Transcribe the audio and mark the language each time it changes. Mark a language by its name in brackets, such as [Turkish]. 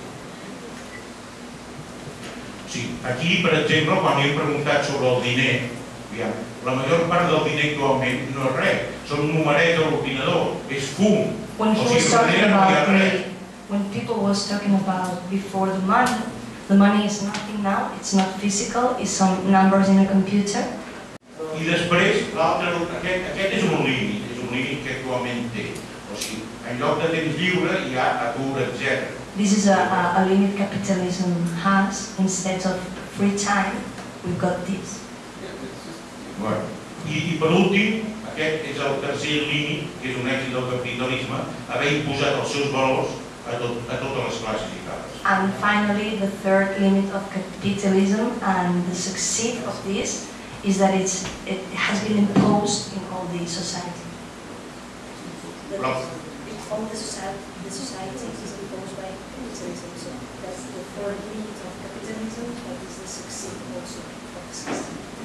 [English] there is more speculative capital. [Catalan] Sí, aquí, per exemple, quan hem preguntat sobre el diner, aviam, la major part del diner actualment no és res, són numerets a l'ordinador, és fum. [English] When he was talking about it, when people was talking about before the money, the money is nothing now, it's not physical, it's some numbers in a computer. [Catalan] I després, aquest és un límit que actualment té. O sigui, en lloc de temps lliure hi ha atur, etc. [English] This is a limit capitalism has. Instead of free time, we've got this. [Catalan] I per últim, aquest és el tercer límit, que és un èxit del capitalisme, haver imposat els seus valors a totes les classes i cases. [English] And finally, the third limit of capitalism and the succeed of this is that it has been imposed in all the society. all the society is imposed by capitalism. So that's the third limit of capitalism, that is the succeed also of the system.